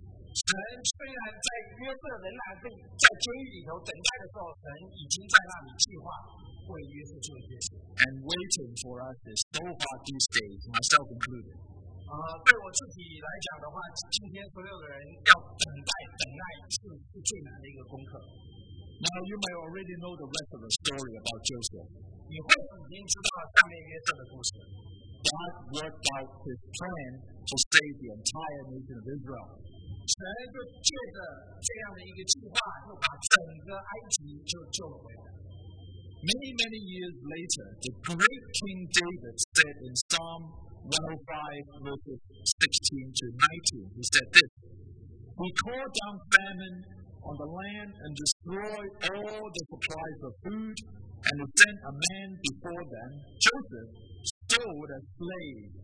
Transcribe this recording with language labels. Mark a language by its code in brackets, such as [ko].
[zh] 神虽然在约瑟仍然在监狱里头等待的时候，神已经在那里计划为约瑟做一件事。 [en] And waiting for us is so hard these days, myself included. [zh] 对我自己来讲的话，今天所有的人要等待，等待是最难的一个功课。 [en] Now you may already know the rest of the story about Joseph. [zh] 你会已经知道下面约瑟的故事。 [en] God worked out his plan to save the entire nation of Israel. [zh] 神就借着这样的一个计划，又把整个埃及就救了回来。 [en] Many, many years later, the great King David said in Psalm 105, verses 16 to 19, he said this, "We call down famine on the land and destroy all the supplies of food, and we sent a man before them, Joseph, sold as slave.